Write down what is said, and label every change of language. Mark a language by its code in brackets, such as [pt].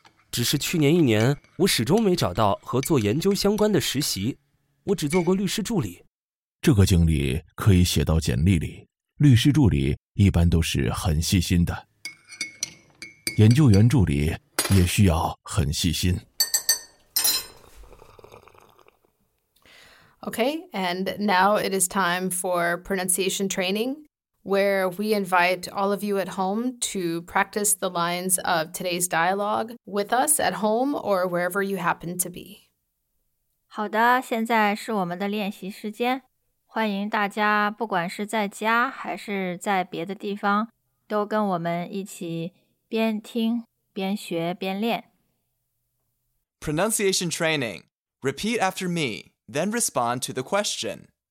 [zh] 只是去年一年，我始终没找到和做研究相关的实习，我只做过律师助理。这个经历可以写到简历里，律师助理一般都是很细心的，研究员助理也需要很细心。 [en] Okay, and now it is time for pronunciation training, where we invite all of you at home to practice the lines of today's dialogue with us at home or wherever you happen to be. [zh] 好的，现在是我们的练习时间。欢迎大家不管是在家还是在别的地方都跟我们一起边听边学边练。 [en] Pronunciation training. Repeat after me, then respond to the question.